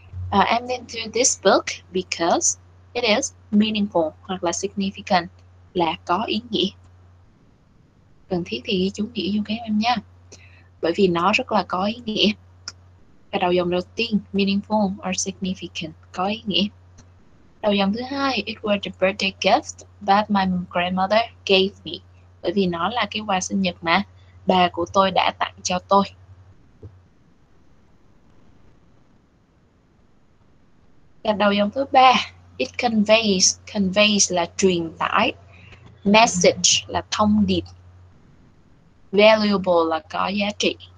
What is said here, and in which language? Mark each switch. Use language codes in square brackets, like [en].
[en] I'm into this book because it is meaningful, [vi] hoặc là [en] significant, [vi] là có ý nghĩa. Cần thiết thì ghi chú nghĩa vô các em nha, bởi vì nó rất là có ý nghĩa. Cái đầu dòng đầu tiên, [en] meaningful or significant, [vi] có ý nghĩa. Đầu dòng thứ hai, [en] it was the birthday gift that my grandmother gave me. [vi] Bởi vì nó là cái quà sinh nhật mà bà của tôi đã tặng cho tôi. Cái đầu dòng thứ ba, [en] it conveys, [vi] conveys là truyền tải. Message là thông điệp. Valuable là có giá trị.